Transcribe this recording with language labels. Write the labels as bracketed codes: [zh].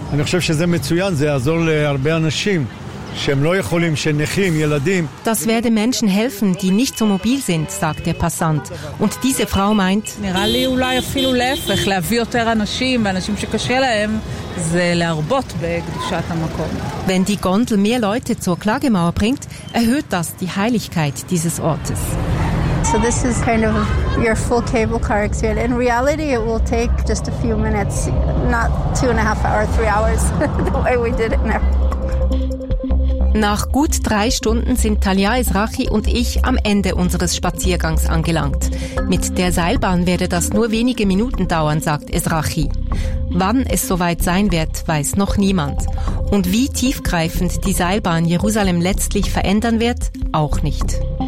[de] Das werde Menschen helfen, die nicht so mobil sind, sagt der Passant. Und diese Frau meint, wenn die Gondel mehr Leute zur Klagemauer bringt, erhöht das die Heiligkeit dieses Ortes. [en] So this is kind of your full cable car experience. In reality, it will take just a few minutes, not 2.5 hours, 3 hours, the way we did it now. [de] Nach gut 3 Stunden sind Talia Ezrahi und ich am Ende unseres Spaziergangs angelangt. Mit der Seilbahn werde das nur wenige Minuten dauern, sagt Ezrahi. Wann es soweit sein wird, weiß noch niemand. Und wie tiefgreifend die Seilbahn Jerusalem letztlich verändern wird, auch nicht.